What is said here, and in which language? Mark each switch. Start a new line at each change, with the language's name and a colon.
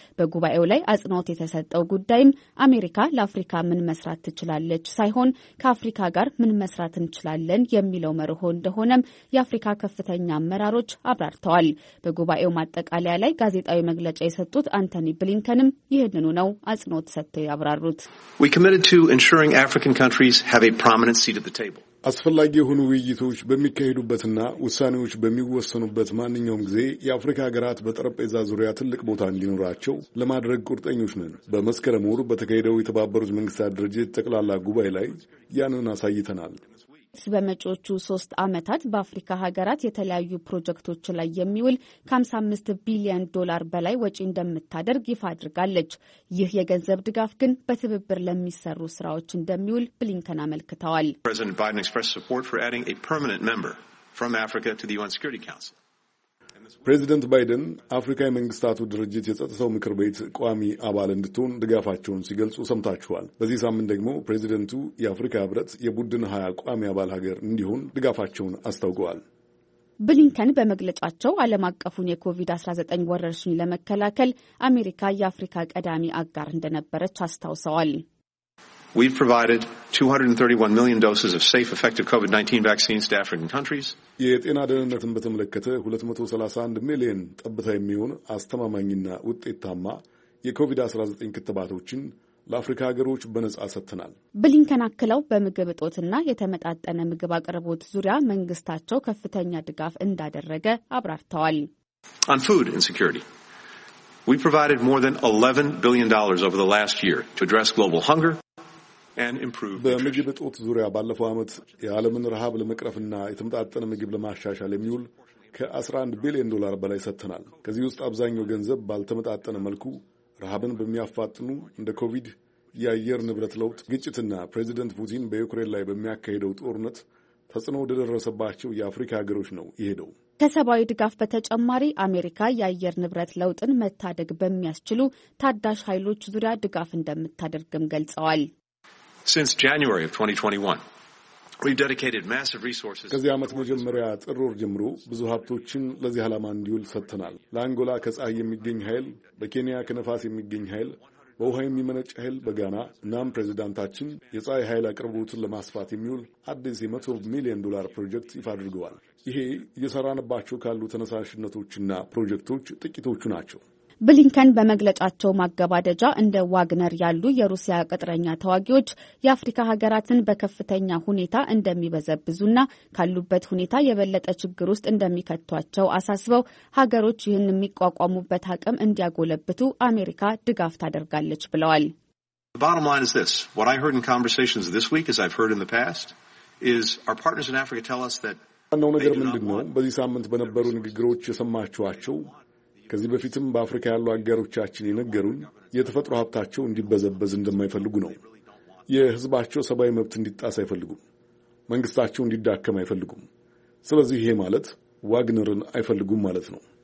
Amharic: በጉባኤው ላይ አጽንኦት የተሰጠው ጉዳይም አሜሪካ ለአፍሪካ ምን መስራት ትችላለች ሳይሆን ከአፍሪካ ጋር ምን መስራት እንችላለን የሚለው መርሆ እንደሆነም የአፍሪካ ከፍተኛ አመራሮች አብራርተዋል። በጉባኤው ማጠቃለያ ላይ ጋዜጣዊ መግለጫ የሰጡት አንቶኒ ብሊንከንም ይህንኑ ነው አጽንኦት ሰጥተው ያብራሩት።
English: We committed to ensuring African countries have a prominent seat at the table.
Amharic: አስፈላጊ የሆኑ ውይይቶች በሚካሄዱበትና ውሳኔዎች በሚወሰኑበት ማንኛውም ጊዜ የአፍሪካ ሀገራት በጠረጴዛ ዙሪያ ትልቅ ቦታ እንዲኖራቸው ለማድረግ ቁርጠኞች ነን። በመስከረም ወር በተካሄደው የተባበሩት መንግስታት ድርጅት ጠቅላላ ጉባኤ ላይ ያንን አሳይተናል። በመጪዎቹ 3 ዓመታት በአፍሪካ ሀገራት የተለያዩ ፕሮጀክቶች ላይ የሚውል ከ55 ቢሊዮን ዶላር በላይ ወጪ እንደምታደርግ ይፋ አድርጋለች። ይህ የገንዘብ ድጋፍ ግን በትብብር ለሚሰሩ ስራዎች እንደሚውል ብሊንከን አመልክተዋል።
English: President Biden expressed support for adding a permanent member from Africa to the UN Security Council.
Amharic: ፕሬዚደንት ባይደን አፍሪካ የመንግስታቱ ድርጅት የጸጥታው ምክር ቤት ቋሚ አባል እንድትሆን ድጋፋቸውን ሲገልጹ ሰምታችኋል። በዚህ ሳምንት ደግሞ ፕሬዚደንቱ የአፍሪካ ህብረት የቡድን 20 ቋሚ አባል ሀገር እንዲሆን ድጋፋቸውን አስተውቀዋል። ብሊንከን በመግለጫቸው ዓለም አቀፉን የኮቪድ-19 ወረርሽኝ ለመከላከል አሜሪካ የአፍሪካ ቀዳሚ አጋር እንደነበረች አስታውሰዋል።
English: We've provided 231 million doses of safe, effective COVID-19 vaccines to African countries.
Amharic: የጤና ደህንነትን በተመለከተ 231 ሚሊዮን ጠብታ የሚሆን አስተማማኝና ውጤታማ የኮቪድ-19 ክትባቶችን ለአፍሪካ ሀገሮች በነጻ ሰጥተናል። ብሊንከን አክለው በምግብ እጦትና የተመጣጠነ ምግብ አቅርቦት ዙሪያ መንግስታቸው ከፍተኛ ድጋፍ እንዳደረገ አብራርተዋል።
English: On food insecurity. We provided more than $11 billion over the last year to address global hunger.
Amharic: በምግብ እጦት ዙሪያ ባለፈው ዓመት የዓለምን ረሃብ ለመቅረፍና የተመጣጠነ ምግብ ለማሻሻል የሚውል ከ11 ቢሊዮን ዶላር በላይ ሰጥተናል። ከዚህ ውስጥ አብዛኛው ገንዘብ ባልተመጣጠነ መልኩ ረሃብን በሚያፋጥኑ እንደ ኮቪድ፣ የአየር ንብረት ለውጥ ግጭትና ፕሬዚደንት ፑቲን በዩክሬን ላይ በሚያካሄደው ጦርነት ተጽዕኖ ወደደረሰባቸው የአፍሪካ ሀገሮች ነው የሄደው። ከሰብአዊ ድጋፍ በተጨማሪ አሜሪካ የአየር ንብረት ለውጥን መታደግ በሚያስችሉ ታዳሽ ኃይሎች ዙሪያ ድጋፍ እንደምታደርግም ገልጸዋል።
English: Since January of 2021, we've dedicated massive resources.
Amharic: ከዚህ ዓመት መጀመሪያ ጥር ወር ጀምሮ ብዙ ሀብቶችን ለዚህ ዓላማ እንዲውል ሰጥተናል። ለአንጎላ ከፀሐይ የሚገኝ ኃይል፣ በኬንያ ከነፋስ የሚገኝ ኃይል፣ በውሃ የሚመነጭ ኃይል በጋና እናም ፕሬዚዳንታችን የፀሐይ ኃይል አቅርቦትን ለማስፋት የሚውል አዲስ የ100 ሚሊዮን ዶላር ፕሮጀክት ይፋ አድርገዋል። ይሄ እየሰራንባቸው ካሉ ተነሳሽነቶችና ፕሮጀክቶች ጥቂቶቹ ናቸው። ብሊንከን በመግለጫቸው ማገባደጃ እንደ ዋግነር ያሉ የሩሲያ ቅጥረኛ ተዋጊዎች የአፍሪካ ሀገራትን በከፍተኛ ሁኔታ እንደሚበዘብዙና ካሉበት ሁኔታ የበለጠ ችግር ውስጥ እንደሚከቷቸው አሳስበው ሀገሮች ይህን የሚቋቋሙበት አቅም እንዲያጎለብቱ አሜሪካ ድጋፍ ታደርጋለች ብለዋል።
English: The bottom line is this. What I heard in conversations this week, as I've heard in the past, is our partners in Africa tell us that
Amharic: አንዳንድ ነገር ምንድነው? በዚህ ሳምንት በነበሩ ንግግሮች የሰማችኋቸው ከዚህ በፊትም በአፍሪካ ያሉ አጋሮቻችን የነገሩን የተፈጥሮ ሀብታቸው እንዲበዘበዝ እንደማይፈልጉ ነው። የህዝባቸው ሰብአዊ መብት እንዲጣስ አይፈልጉም። መንግስታቸው እንዲዳከም አይፈልጉም። ስለዚህ ይሄ ማለት ዋግነርን አይፈልጉም ማለት ነው።